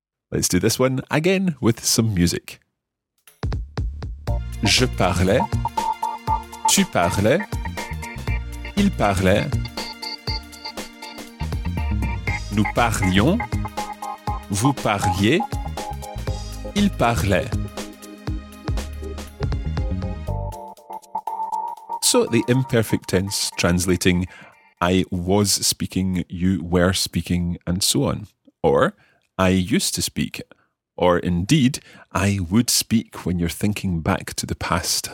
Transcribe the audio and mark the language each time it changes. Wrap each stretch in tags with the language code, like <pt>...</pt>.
<en>Let's do this one again with some music.</en> <fr>Je parlais, tu parlais, il parlait, nous parlions, vous parliez, il parlait.</fr> <en>So the imperfect tense translating I was speaking, you were speaking, and so on. Or, I used to speak. Or, indeed, I would speak when you're thinking back to the past.</en>